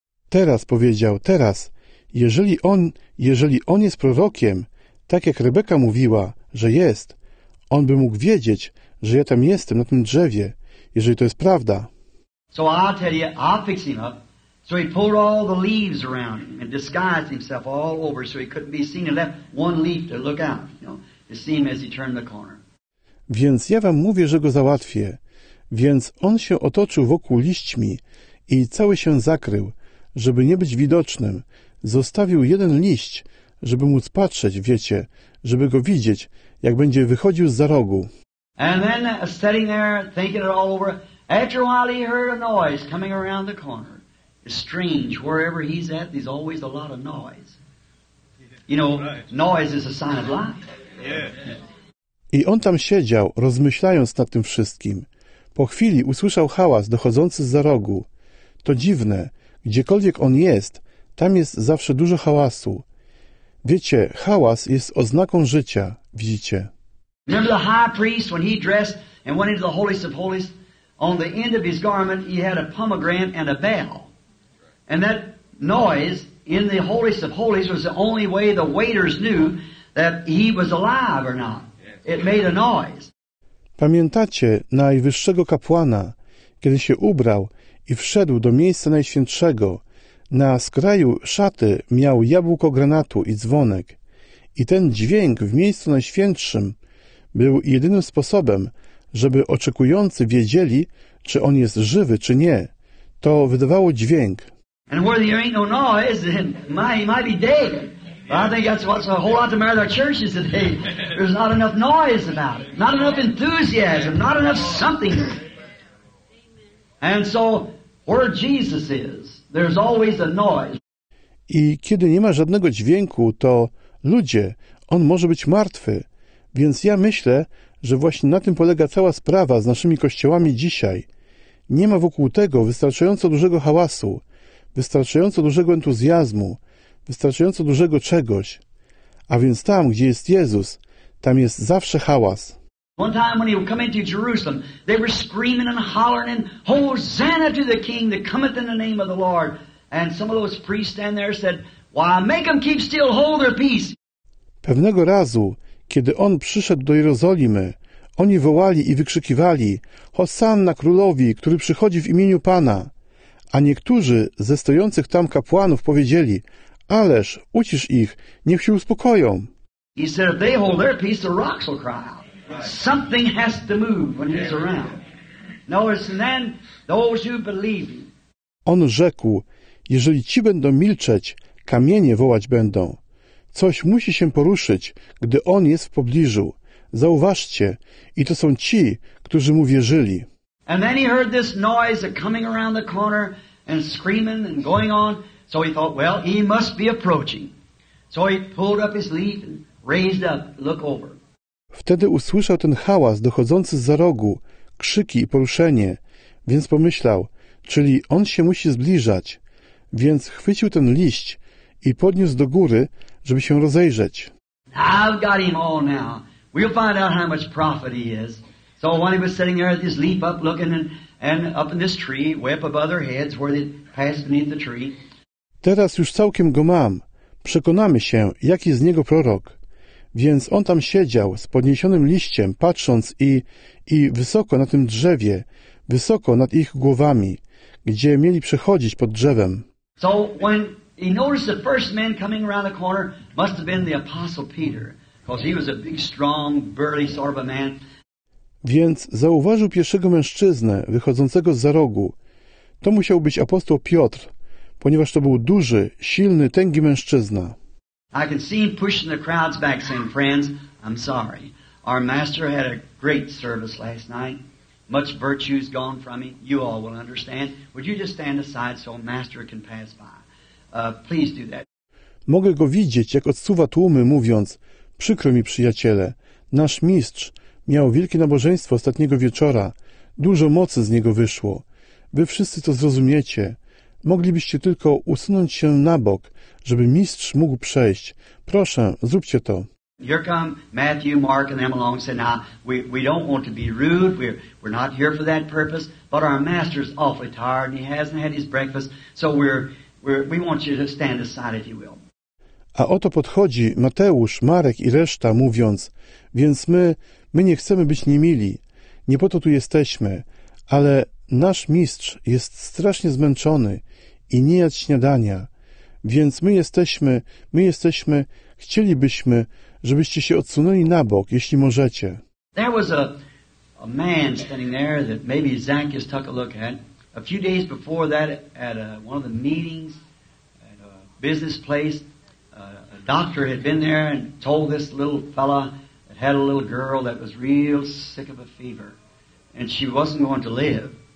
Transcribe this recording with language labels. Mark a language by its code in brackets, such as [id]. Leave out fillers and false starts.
[pl] Teraz powiedział, teraz, jeżeli on jest prorokiem, tak jak Rebecca mówiła, że jest, on by mógł wiedzieć, że ja tam jestem na tym drzewie, jeżeli to jest prawda. [en] So I'll tell you, I'll fix him up. So he pulled all the leaves around him and disguised himself all over so he couldn't be seen and left one leaf to look out, you know, to see him as he turned the corner. [pl] Więc ja wam mówię, że go załatwię. Więc on się otoczył wokół liśćmi i cały się zakrył, żeby nie być widocznym. Zostawił jeden liść, żeby móc patrzeć, wiecie, żeby go widzieć, jak będzie wychodził zza rogu. [en] And then sitting there, thinking it all over, after a while he heard a noise coming around the corner. It's strange, wherever he's at, there's always a lot of noise. You know, right. Noise is a sign of life. Yeah. [pl] I on tam siedział, rozmyślając nad tym wszystkim. Po chwili usłyszał hałas dochodzący zza rogu. To dziwne, gdziekolwiek on jest, tam jest zawsze dużo hałasu. Wiecie, hałas jest oznaką życia, widzicie. [en] Remember the high priest, when he dressed and went into the holiest of holies, on the end of his garment he had a pomegranate and a bell. And that noise in the holiest of holies was the only way the waiters knew that he was alive or not. It made a noise. [pl] Pamiętacie najwyższego kapłana, kiedy się ubrał i wszedł do miejsca najświętszego. Na skraju szaty miał jabłko granatu i dzwonek. I ten dźwięk w miejscu najświętszym był jedynym sposobem, żeby oczekujący wiedzieli, czy on jest żywy, czy nie. To wydawało dźwięk. [en] And where there ain't no noise, then he might be dead. But I think that's what's a whole lot the matter with our churches today. There's not enough noise about it. Not enough enthusiasm. Not enough something. And so, where Jesus is, there's always a noise. [pl] I kiedy nie ma żadnego dźwięku, to ludzie, on może być martwy. Więc ja myślę, że właśnie na tym polega cała sprawa z naszymi kościołami dzisiaj. Nie ma wokół tego wystarczająco dużego hałasu, wystarczająco dużego entuzjazmu, wystarczająco dużego czegoś. A więc tam, gdzie jest Jezus, tam jest zawsze hałas. [en] One time when he would come into Jerusalem, they were screaming and hollering and Hosanna to the King that cometh in the name of the Lord. And some of those priests stand there said, why make them keep still, hold their peace. [pl] Pewnego razu, kiedy on przyszedł do Jerozolimy, Oni wołali i wykrzykiwali: Hosanna królowi, który przychodzi w imieniu Pana. A niektórzy ze stojących tam kapłanów powiedzieli: Ależ, ucisz ich, niech się uspokoją. [en] He said, if they hold their peace, the rocks will cry out. Something has to move when he's around. Notice, and then those who believe him. [pl] On rzekł, jeżeli ci będą milczeć, kamienie wołać będą. Coś musi się poruszyć, gdy on jest w pobliżu. Zauważcie, i to są ci, którzy mu wierzyli. [en] And then he heard this noise of coming around the corner and screaming and going on. So he thought, well, he must be approaching. So he pulled up his leaf and raised up, look over. [pl] Wtedy usłyszał ten hałas dochodzący zza rogu, krzyki i poruszenie, więc pomyślał, czyli on się musi zbliżać. Więc chwycił ten liść i podniósł do góry, żeby się rozejrzeć. [en] I've got him all now. We'll find out how much profit he is. So while he was sitting there, his leaf up looking and up in this tree, way up above their heads where they passed beneath the tree. [pl] Teraz już całkiem go mam. Przekonamy się, jaki z niego prorok. Więc on tam siedział z podniesionym liściem, patrząc i wysoko na tym drzewie, wysoko nad ich głowami, gdzie mieli przechodzić pod drzewem. [en] So when he noticed the first man coming around the corner must have been the Apostle Peter, because he was a big, strong, burly sort of a man. [pl] Więc zauważył pierwszego mężczyznę wychodzącego zza rogu. To musiał być apostoł Piotr, ponieważ to był duży, silny, tęgi mężczyzna. [en] I can see him pushing the crowds back, saying, friends, I'm sorry. Our master had a great service last night. Much virtue is gone from him. You all will understand. Would you just stand aside so master can pass by? Please do that. [pl] Mogę go widzieć, jak odsuwa tłumy, mówiąc, przykro mi, przyjaciele, nasz mistrz miał wielkie nabożeństwo ostatniego wieczora. Dużo mocy z niego wyszło. Wy wszyscy to zrozumiecie. Moglibyście tylko usunąć się na bok, żeby mistrz mógł przejść. Proszę, zróbcie to. [en] Here come Matthew, Mark and them along and say, now, we don't want to be rude, we're not here for that purpose, but our master's awfully tired and he hasn't had his breakfast, so we want you to stand aside if you will. [pl] A oto podchodzi Mateusz, Marek i reszta, mówiąc, więc my nie chcemy być niemili, nie po to tu jesteśmy, ale nasz mistrz jest strasznie zmęczony i nie jadł śniadania, więc my jesteśmy, chcielibyśmy, żebyście się odsunęli na bok, jeśli możecie. [en] There was a man standing there that maybe Zacchaeus took a look at. A few days before that, at one of the meetings, at a business place, a doctor had been there and told this little fella that had a little girl that was real sick of a fever, and she wasn't going to live.